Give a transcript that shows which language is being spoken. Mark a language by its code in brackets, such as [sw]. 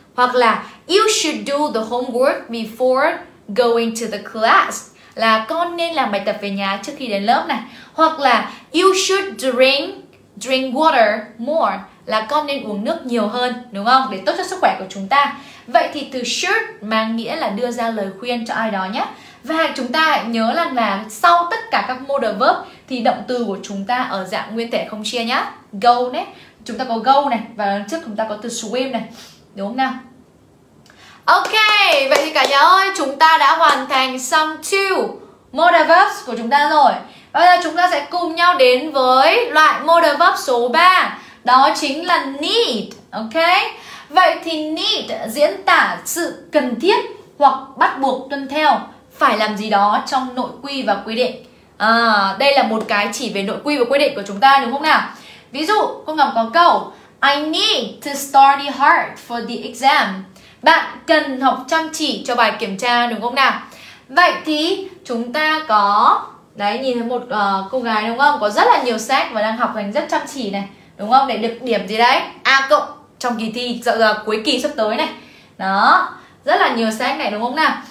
[vi] Hoặc là [en] you should do the homework before going to the class. [vi] Là con nên làm bài tập về nhà trước khi đến lớp này. Hoặc là [en] you should drink water more. [vi] Là con nên uống nước nhiều hơn, đúng không? Để tốt cho sức khỏe của chúng ta. Vậy thì từ should mang nghĩa là đưa ra lời khuyên cho ai đó nhé. Và chúng ta nhớ là sau tất cả các modal verb thì động từ của chúng ta ở dạng nguyên thể không chia nhé. Go này, chúng ta có go này. Và trước chúng ta có từ swim này, đúng không nào? Ok, vậy thì cả nhà ơi, chúng ta đã hoàn thành some two modal verbs của chúng ta rồi. Bây giờ chúng ta sẽ cùng nhau đến với loại modal verb số 3. Đó chính là need, ok? Vậy thì need diễn tả sự cần thiết hoặc bắt buộc tuân theo, phải làm gì đó trong nội quy và quy định. Đây là một cái chỉ về nội quy và quy định của chúng ta, đúng không nào? Ví dụ, cô Ngọc có câu [en] I need to study hard for the exam. [vi] Bạn cần học chăm chỉ cho bài kiểm tra đúng không nào? Vậy thì chúng ta có đấy, nhìn thấy một cô gái đúng không? Có rất là nhiều sách và đang học hành rất chăm chỉ này, đúng không? Để được điểm gì đấy? A cộng trong kỳ thi cuối kỳ sắp tới này. Đó, rất là nhiều sách này đúng không nào?